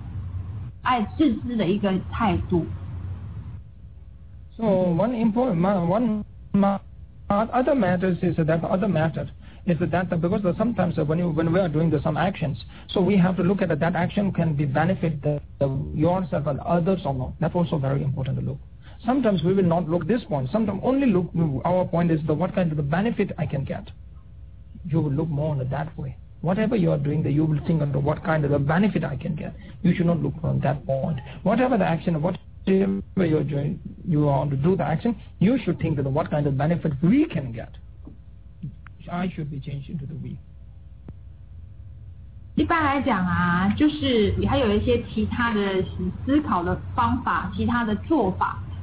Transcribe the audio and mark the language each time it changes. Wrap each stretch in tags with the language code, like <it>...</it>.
<zh>当我们在从事任何的行为的时候，一定要仔细去观察这样一个行为是不是源自于我们爱自私的一个态度。</zh> <en>So one important other matters is that other matter is that because sometimes when we are doing the some actions, so we have to look at that action can be benefit the yourself and others or not. That's also very important to look. Sometimes we will not look this point. Sometimes only look, our point is the what kind of the benefit I can get. You will look more on that way. Whatever you are doing, you will think on what kind of the benefit I can get. You should not look on that point. Whatever the action, whatever you are doing, you are on to do the action, you should think of what kind of benefit we can get. I should be changed into the we.</en> <zh>一般来讲啊，就是还有一些其他的思考的方法，其他的做法。</zh>